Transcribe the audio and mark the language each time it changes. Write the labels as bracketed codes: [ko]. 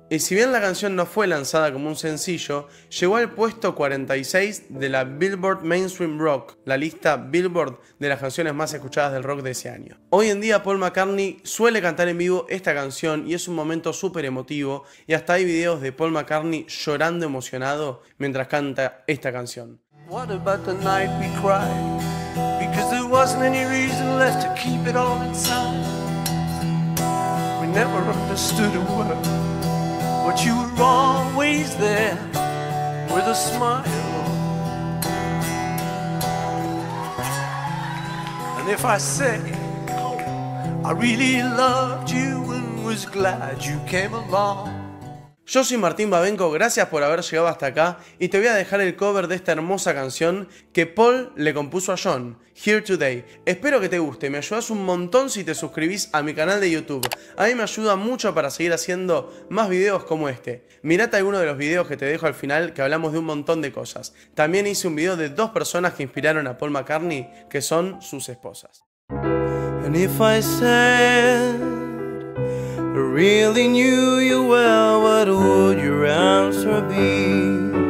[es] Y si bien la canción no fue lanzada como un sencillo, llegó al puesto 46 de la Billboard Mainstream Rock, la lista Billboard de las canciones más escuchadas del rock de ese año. Hoy en día Paul McCartney suele cantar en vivo esta canción y es un momento súper emotivo y hasta hay videos de Paul McCartney llorando emocionado mientras canta esta canción. [en] What about the night we cried? Because there wasn't any reason left to keep it all inside. We never understood a word. But you were always there with a smile. And if I say I really loved you and was glad you came along. [es] Yo soy Martín Babenco, gracias por haber llegado hasta acá y te voy a dejar el cover de esta hermosa canción que Paul le compuso a John, Here Today. Espero que te guste, me ayudas un montón si te suscribís a mi canal de YouTube. A mí me ayuda mucho para seguir haciendo más videos como este. Mirate alguno de los videos que te dejo al final que hablamos de un montón de cosas. También hice un video de dos personas que inspiraron a Paul McCartney, que son sus esposas. [en] And if I said... Really knew you well, what would your answer be?